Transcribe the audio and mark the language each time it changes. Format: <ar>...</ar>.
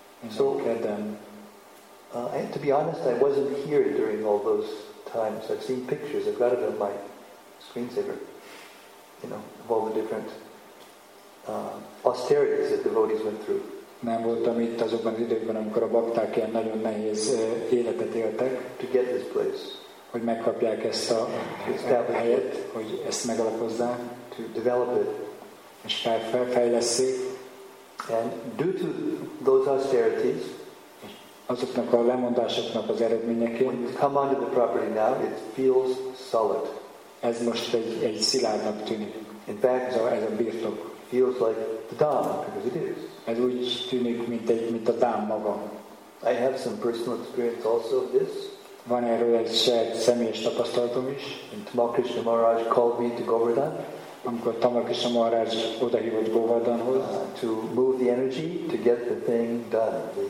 <en>So, get down. And to be honest, I wasn't here during all those times. I've seen pictures. I've got it on my screensaver, you know, of all the different austerities that devotees went through.</en> <hu>Nem voltam itt azokban az időkben, amikor a bakták ilyen nagyon nehéz életet éltek.</hu> <en>To get this place.</en> <hu>Hogy megkapják ezt a helyet, hogy ezt megalapozzák.</hu> <en>To develop it.</en> <hu>És fejlesszék.</hu> <en>And due to those austerities,</en> <hu>azoknak a lemondásoknak az eredményeként.</hu> <en>When you come onto the property now, it feels solid.</en> <hu>Ez most egy szilárdnak tűnik.</hu> <en>In fact,</en> <hu>ez a birtok.</hu> <en>Feels like the dam, because it is.</en> <hu>Ez úgy tűnik, mint a dam maga.</hu> <en>I have some personal experience also of this.</en> <hu>Van erről egy saját személyes tapasztalatom is.</hu> <en>When Tamal Krishna Maharaj called me to Govardhan.</en> <hu>Amikor Tamal Krishna Maharaj odahívott Govardhanhoz.</hu> <en>To move the energy to get the thing done.</en>